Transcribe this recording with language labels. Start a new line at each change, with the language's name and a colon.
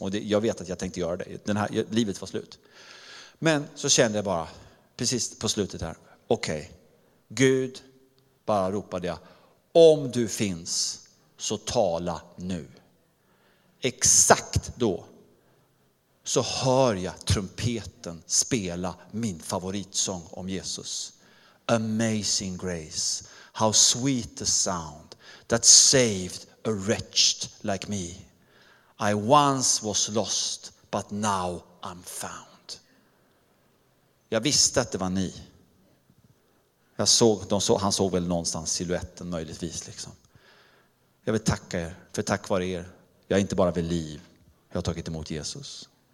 Swedish: Och jag vet att jag tänkte göra det. Livet var slut. Men så kände jag bara, precis på slutet här, okej, Gud, bara ropade jag, om du finns så tala nu. Exakt då så hör jag trumpeten spela min favoritsång om Jesus.
English: Amazing grace, how sweet the sound that saved a wretched like me. I once was lost, but now I'm found.
Swedish: Jag visste att det var ni. Jag såg, han såg väl någonstans siluetten möjligtvis. Liksom. Jag vill tacka er, för tack vare er. Jag är inte bara vid liv. Jag har tagit emot Jesus.